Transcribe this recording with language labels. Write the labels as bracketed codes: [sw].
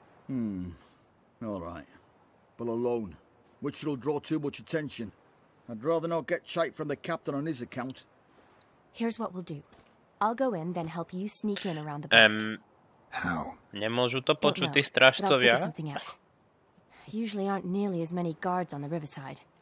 [en] All right. But alone. Which will draw too much attention. I'd rather not get shite from the captain on his account. Here's what we'll do. I'll go in, then help you sneak in around the back. How? [sk] Nemôžu to počuť tí strážcovia? [en] Usually aren't nearly as many guards on the riverside.